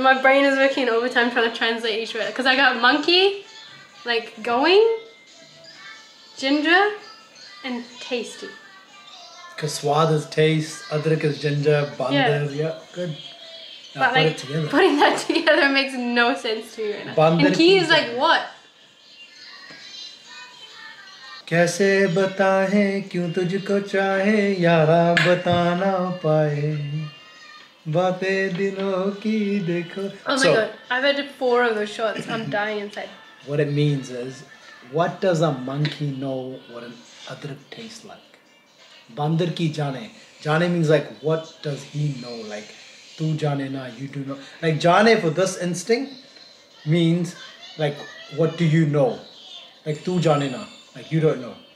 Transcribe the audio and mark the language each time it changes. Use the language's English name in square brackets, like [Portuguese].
[English] My brain is working overtime trying to translate each word. Cause I got monkey, like going, ginger, and tasty. Cause swad is taste, adrak is ginger, bandar. Yeah, good. Now but like it together. Putting that together makes no sense to you right now. And key is like what? [Hindi] कैसे बताएं क्यों तुझको चाहे यारा बता ना पाए बातें दिलों की देखो. [English] Oh my god, I've had 4 of those shots. I'm dying inside. What it means is, what does a monkey know what an adrak tastes like? [Hindi] Bandar ki jaane. [English] Jaane means like, what does he know? Like, [Hindi] tu jaane na, [English] you do know. Like, jaane for this instinct means like, what do you know? Like, [Hindi] tu jaane na. [English] Like, you don't know.